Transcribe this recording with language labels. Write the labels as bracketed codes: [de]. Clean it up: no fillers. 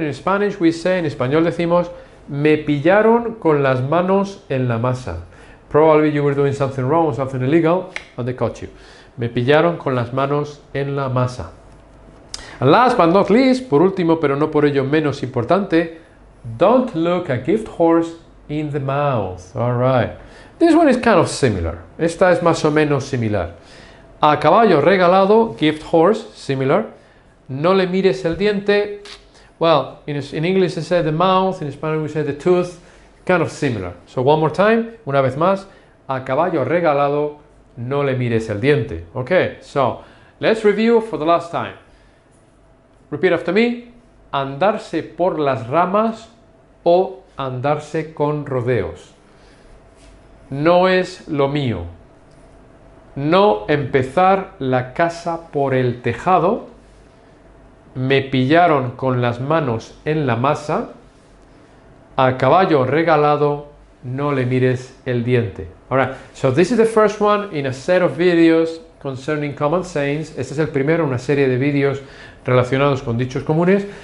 [en] In Spanish we say, [es] en español decimos, me pillaron con las manos en la masa. [en] Probably you were doing something wrong, something illegal, and they caught you. [es] Me pillaron con las manos en la masa. [en] And last but not least, [es] por último, pero no por ello menos importante, [en] don't look a gift horse in the mouth. All right. This one is kind of similar. [es] Esta es más o menos similar. A caballo regalado, gift horse, similar. No le mires el diente. [en] Well, in English they say the mouth, in Spanish we say the tooth. Kind of similar. So one more time, [es] una vez más. A caballo regalado, no le mires el diente. [en] Okay, so let's review for the last time. Repeat after me. [es] Andarse por las ramas o andarse con rodeos. No es lo mío. No empezar la casa por el tejado. Me pillaron con las manos en la masa. A caballo regalado, no le mires el diente. [en] All right. So this is the first one in a set of videos concerning common sayings. [es] Este es el primero, una serie de videos relacionados con dichos comunes.